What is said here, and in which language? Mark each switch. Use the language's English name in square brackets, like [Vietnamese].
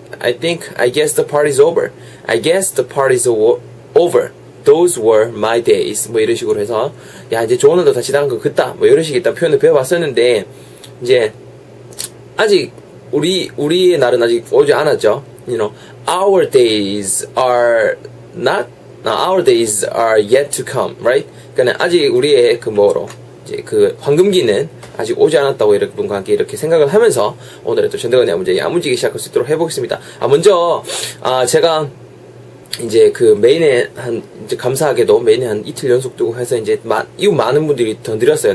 [English] I guess the party's over. I guess the party's over. Those were my days. [Korean] 뭐 이런 식으로 해서, 야, 이제 좋은 날도 다 지나간 것 같다. 뭐 이런 식의 일단 표현을 배워봤었는데, 이제 아직 우리의 날은 아직 오지 않았죠. [English] You know, our days are yet to come, right? [Korean] 그러니까 아직 우리의 그 뭐로 이제 그 황금기는 아직 오지 않았다고 여러분과 함께 이렇게 생각을 하면서 오늘의 또 전대건 야무지게 야무지게 시작할 수 있도록 해보겠습니다. 아, 먼저 제가 이제 그 메인에 한 이제 감사하게도 메인에 한 이틀 연속 두고 해서 이제 이후 많은 분들이 더 늘었어요.